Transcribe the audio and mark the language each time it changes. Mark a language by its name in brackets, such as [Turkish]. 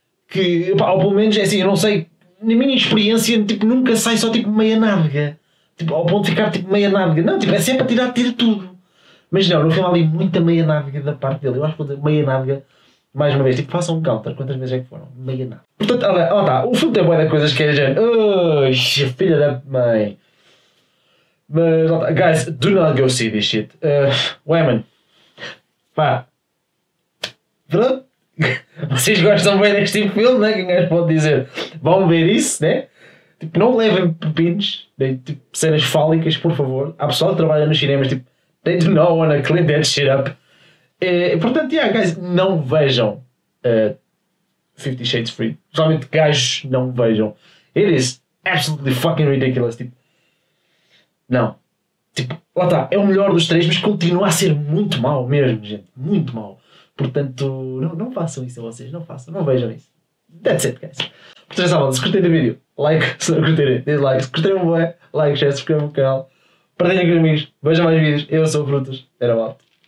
[Portuguese] que, pá, ou pelo menos, é assim, eu não sei, na minha experiência, tipo, nunca sai só tipo meia narga. Tipo, ao ponto de ficar tipo meia narga. Não, tipo, é sempre a tirar de tiro tudo. Mas não, no final ali muita meia narga da parte dele. Eu acho que meia narga, mais uma vez, tipo, façam um counter, quantas vezes é que foram? Meia narga. Portanto, olha, ó, tá, o filme tem boa de coisas que é gente. Oh, filha da mãe. [English] Mas, guys, do not go see this shit. [Portuguese] Women. Pá. Pronto. Vocês gostam bem deste tipo de filme, não é? Quem gajo pode dizer? Vão ver isso, né? Tipo, não levem pepinos, né? Tipo, cenas fálicas, por favor. Há pessoal que trabalha nos cinemas, tipo, they do not want to clean that shit up. Portanto, yeah, guys, não vejam 50 Shades Freed. Realmente, gajos, não vejam. [English] It is absolutely fucking ridiculous. [Portuguese] Tipo, não. Tipo, lá está, é o melhor dos três, mas continua a ser muito mau mesmo, gente. Muito mau. Portanto, não façam isso a vocês, não façam, não vejam isso. That's it, guys. Portanto, já sabem, se curtirem o vídeo, like, se não curtirem, dislike, se curtirem o bué, like, share, subscrevam o canal, partilhem com os amigos, vejam mais vídeos, eu sou o Frutos, era o Alto.